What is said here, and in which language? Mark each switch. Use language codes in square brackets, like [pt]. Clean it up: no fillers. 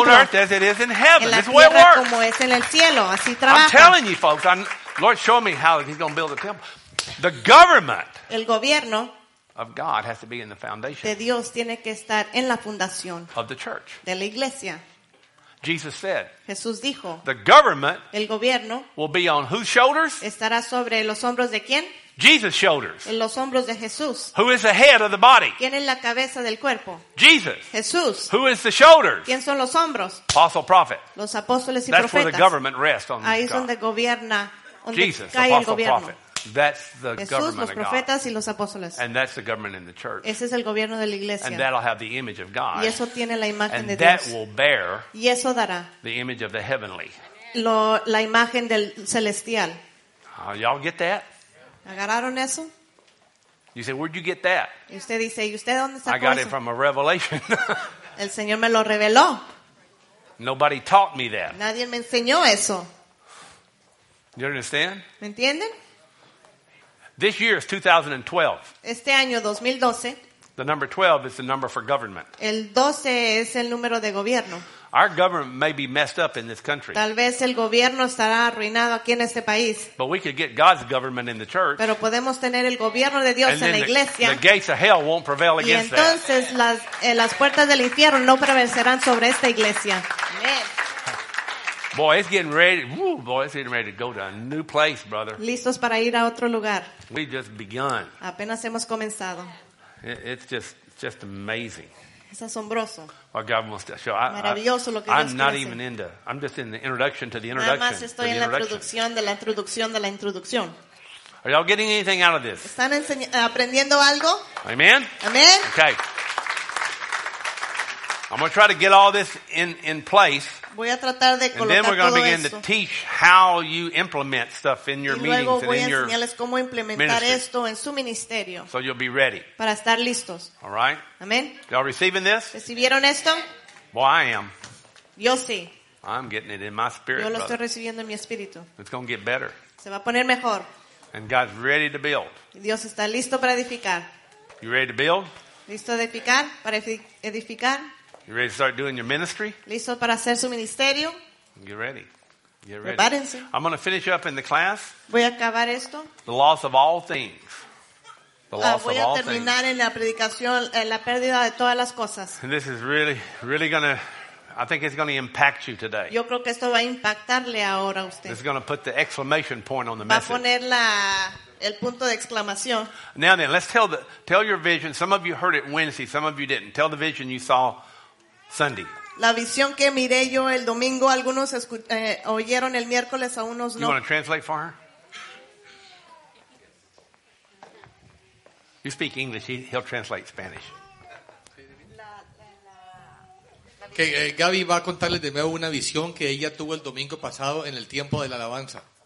[en] On earth as it is in heaven. [es] En la [en] it's where it works. [es] Como es en el cielo. Así trabaja. [en] I'm telling you, folks. Lord, show me how He's going to build a temple. The government. [es] El gobierno. [en] Of God has to be in the foundation. [es] De Dios tiene que estar en la fundación. [en] Of the church. [es] De la iglesia. [en] Jesus said. [es] Jesús dijo. [en] The government. [es] El gobierno. [en] Will be on whose shoulders? [es] Estará sobre los hombros de quién? [en] Jesus' shoulders. [es] En los hombros de Jesús. [en] Who is the head of the body? [es] ¿Quién es la cabeza del cuerpo? [en] Jesus. [es] Jesús. [en] Who is the shoulders? [es] ¿Quién son los hombros? [en] Apostle, prophet. [es] Los apóstoles y [en] that's [es] profetas. [en] That's where the government rests on [es] ahí [en] God. [es] Ahí es donde gobierna. Donde [en] Jesus, [es] cae [en] apostle, [es] el gobierno. [en] Prophet. That's the [es] Jesús, [en] government [es] los profetas [en] of God. [es] Y los apóstoles. [en] And that's the government in the church. [es] Ese es el gobierno de la iglesia. [en] And that'll have the image of God. [es] Y eso tiene la imagen [en] and [es] de [en] that [es] Dios. [en] Will bear [es] y eso dará [en] the image of the heavenly. [es] La imagen del celestial. [en] Y'all get that? [es] ¿Agarraron eso? [en] You say, where'd you get that? [es] Y usted dice, ¿y usted dónde sacó [en] I got [es] eso? [en] It from a revelation. [es] El Señor me lo reveló. [en] Nobody taught me that. [es] Nadie me enseñó eso. [en] You understand? [es] ¿Me entienden? [en] This year is 2012. [es] Este año 2012. [en] The number 12 is the number for government. [es] El 12 es el número de gobierno. [en] Our government may be messed up in this country. [es] Tal vez el gobierno estará arruinado aquí en este país. [en] But we could get God's government in the church. [es] Pero podemos tener el gobierno de Dios [en] and [es] en la iglesia. [en] The gates of hell won't prevail against that. [es] Y entonces [en] that. [es] Las puertas del infierno no prevalecerán sobre esta iglesia. [en] Amen. Boy, it's getting ready. Woo, boy, it's getting ready to go to a new place, brother. [es] Listos para ir a otro lugar. [en] We just begun. [es] Apenas hemos comenzado. [en] It's just amazing. [es] Es asombroso. [en] What God wants to show. [es] Maravilloso lo que Dios quiere. [en] I'm not even into. I'm just in the introduction to the introduction. [es] Nada más estoy en la introducción de la introducción de la introducción. [en] Are y'all getting anything out of this? [es] ¿Están aprendiendo algo? [en] Amen. Amen. Okay. I'm going to try to get all this in place. [es] Voy a tratar de colocar [en] and then we're going to begin [es] eso. [en] To teach how you implement stuff in your meetings and in your [es] cómo implementar esto en su ministerio. [en] So you'll be ready. [es] Para estar listos. [en] All right. Amen. Y'all receiving this? [es] ¿Recibieron esto? [en] Well, I am. [es] Yo sí. [en] I'm getting it in my spirit. [es] Yo lo [en] brother. [es] Estoy recibiendo en mi espíritu. [en] It's going to get better. [es] Se va a poner mejor. [en] And God's ready to build. [es] Dios está listo para edificar. [en] You ready to build? [es] Listo de edificar, para edificar. [en] You ready to start doing your ministry? [es] Listo para hacer su ministerio. [en] Get ready. Get ready. [es] Prepárense. [en] I'm going to finish up in the class. [es] Voy a acabar esto. [en] The loss of all things. The loss of all things. [es] Voy a terminar en la predicación en la pérdida de todas las cosas. [en] And this is really, really going to. I think it's going to impact you today. [es] Yo creo que esto va a impactarle ahora a usted. [en] This is going to put the exclamation point on the [es] va [en] message. [es] Va a poner la el punto de exclamación. [en] Now then, let's tell your vision. Some of you heard it Wednesday. Some of you didn't. Tell the vision you saw. Sunday. [es] La visión que miré yo el domingo, algunos oyeron el miércoles, a unos no. [en] You want to translate for her? You speak English, he'll translate Spanish. [es] Okay, Gaby va a contarles de nuevo una visión que ella tuvo el domingo pasado en el tiempo de la alabanza.